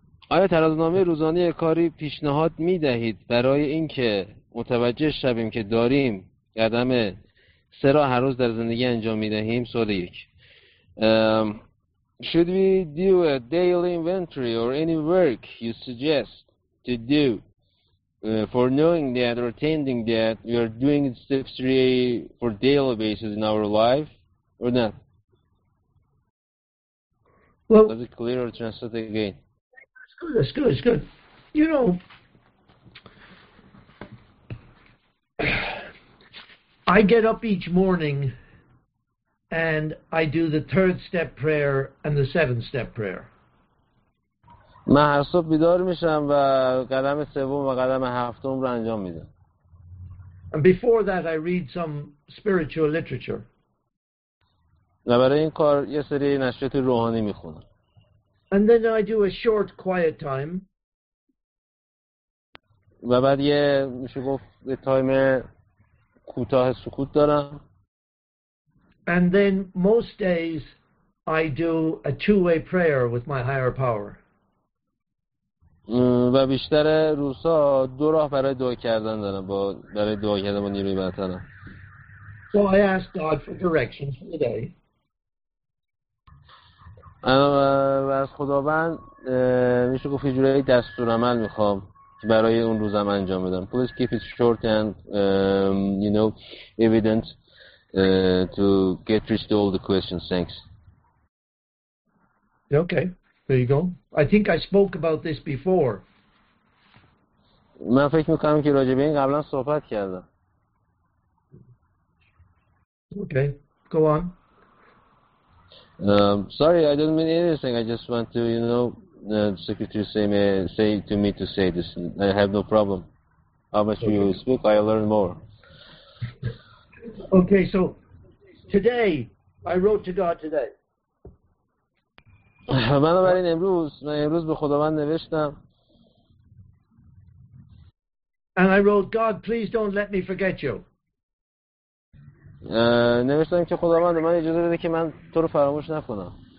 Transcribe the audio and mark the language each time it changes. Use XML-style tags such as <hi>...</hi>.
<fa>آیا ترازنامه روزانه کاری پیشنهاد می دهید برای اینکه متوجه شویم که داریم قدم سه را هر روز در زندگی انجام می دهیم؟ سوال یک.</fa> <en>Should we do a daily inventory or any work you suggest to do for knowing that or attending that we are doing step 3 for daily basis in our life or not? Well, was it clear or translate again? That's good, it's good. You know, I get up each morning and I do the third step prayer and the seventh step prayer.</en> <fa>من هر صبح بیدار میشم و قدم سوم و قدم هفتم رو انجام میدم.</fa> <en>And before that I read some spiritual literature.</en> <fa>و برای این کار یه سری نشریات روحانی میخونم.</fa> <en>And then I do a short quiet time.</en> <fa>و بعد یه میشه گفت یه تایم کوتاه سکوت دارم.</fa> <en>And then most days I do a two-way prayer with my higher power.</en> <fa>و بیشتر روزها دو راه برای دعا کردن دارم با برای دعا کردن با نیروی برترم.</fa> <en>So I ask God for directions for the day.</en> <fa>و از خداوند میشه گفت یه جوری دستور عمل میخوام که برای اون روزم انجام بدم.</fa> <en>Please keep it short and you know evident to get through all the questions. Thanks. Okay. There you go. I think I spoke about this before.</en> <fa>من فکر میکنم که راجع به این قبلا صحبت کردم.</fa> <en>Okay. Go on. Sorry, I didn't mean anything. I just want to, you know, the secretary say to me to say this. I have no problem. How much okay. You speak, I learn more. Okay, so today I wrote to God today.</en> <fa>بنابراین امروز به خداوند نوشتم.</fa> <en>And I wrote, God, please don't let me forget you.</en> <fa>نوشتم که خداوند من اجازه بده که من تو رو فراموش نکنم.</fa>